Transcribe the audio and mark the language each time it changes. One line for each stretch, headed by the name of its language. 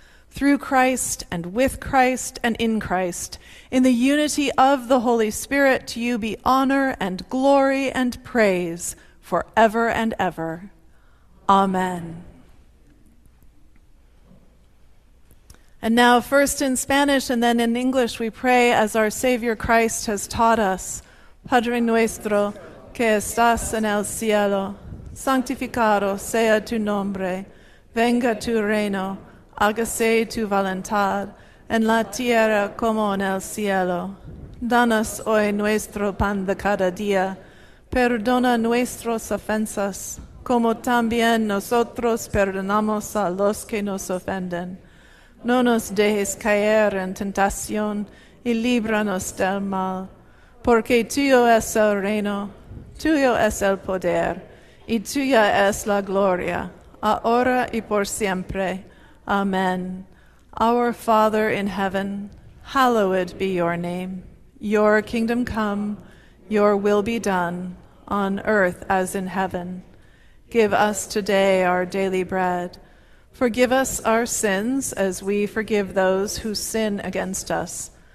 English: Through Christ and with Christ and in Christ, in the unity of the Holy Spirit, to you be honor and glory and praise forever and ever. Amen. And now, first in Spanish and then in English, we pray as our Savior Christ has taught us.
Spanish: Padre nuestro, que estás en el cielo, santificado sea tu nombre, venga tu reino, hágase tu voluntad, en la tierra como en el cielo. Danos hoy nuestro pan de cada día. Perdona nuestras ofensas, como también nosotros perdonamos a los que nos ofenden. No nos dejes caer en tentación y líbranos del mal. Porque tuyo es el reino, tuyo es el poder, y tuya es la gloria, ahora y por siempre. Amen.
English: Our Father in heaven, hallowed be your name. Your kingdom come, your will be done, on earth as in heaven. Give us today our daily bread. Forgive us our sins as we forgive those who sin against us.